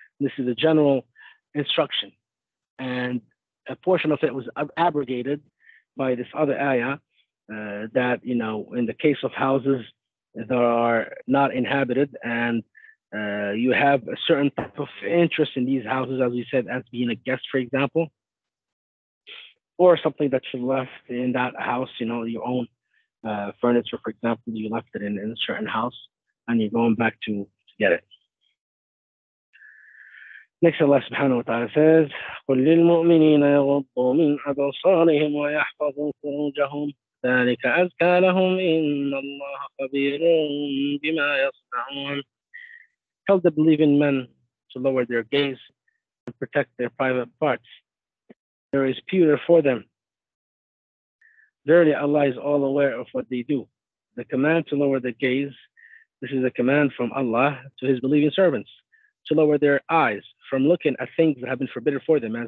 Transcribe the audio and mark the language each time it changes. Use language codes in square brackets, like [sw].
[en] This is a general instruction. And a portion of it was abrogated by this other ayah that, you know, in the case of houses that are not inhabited and you have a certain type of interest in these houses, as we said, as being a guest, for example, or something that you left in that house, you know, your own furniture, for example, you left it in a certain house and you're going back to get it. Next, Allah subhanahu wa ta'ala says, [ar] قُلْ لِلْمُؤْمِنِينَ يَغُضُّوا مِنْ أَبْصَارِهِمْ وَيَحْفَظُوا فُرُوجَهُمْ ذَلِكَ أَزْكَى لَهُمْ إِنَّ اللَّهَ خَبِيرٌ بِمَا يَصْنَعُونَ. [en] Tell the believing men to lower their gaze and protect their private parts. There is pewter for them. Verily, Allah is all aware of what they do. The command to lower the gaze, this is a command from Allah to his believing servants, to lower their eyes from looking at things that have been forbidden for them.